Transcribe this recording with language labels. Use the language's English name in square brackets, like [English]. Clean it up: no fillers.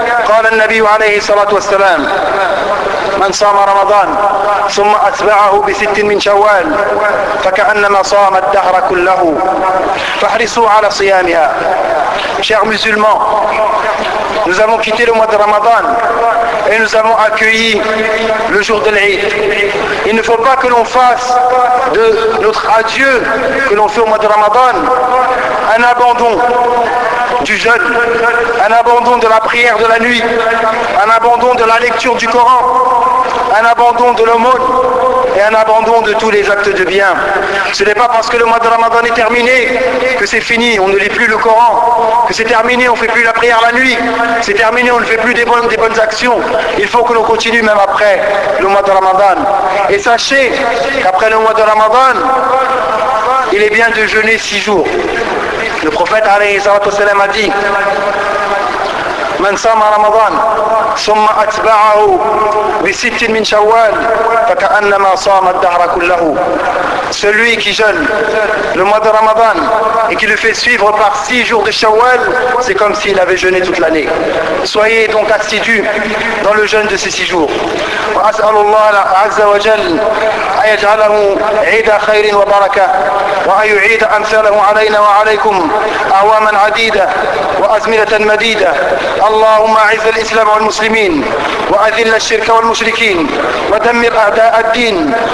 [Arabic] قال النبي عليه الصلاة والسلام: من صام رمضان ثم أتبعه بست من شوال فكأنما صام الدهر كله. فاحرصوا على صيامها. [French] Chers musulmans, nous avons quitté le mois de Ramadan et nous avons accueilli le jour de l'Eid. Il ne faut pas que l'on fasse de notre adieu que l'on fait au mois de Ramadan un abandon du jeûne, un abandon de la prière de la nuit, un abandon de la lecture du Coran, un abandon de l'aumône et un abandon de tous les actes de bien. Ce n'est pas parce que le mois de Ramadan est terminé que c'est fini, on ne lit plus le Coran, que c'est terminé, on ne fait plus la prière la nuit, c'est terminé, on ne fait plus des bonnes actions. Il faut que l'on continue même après le mois de Ramadan. Et sachez qu'après le mois de Ramadan, il est bien de jeûner 6 jours. Le prophète alayhi salatu wasalam a dit: [Arabic] من صام رمضان ثم أتبعه بست من شوال فكأنما صام الدهر كله. [French] Celui qui jeûne le mois de Ramadan et qui le fait suivre par 6 jours de Shawwal, c'est comme s'il avait jeûné toute l'année. Soyez donc assidus dans le jeûne de ces 6 jours. [Arabic] وأسأل الله عز وجل أن يجعله عيد خير وبركة وأن يعيد أمثاله علينا وعليكم أعواما عديدة وأزمنة مديدة. اللهم أعز الإسلام والمسلمين وأذل الشرك والمشركين ودمر أعداء الدين.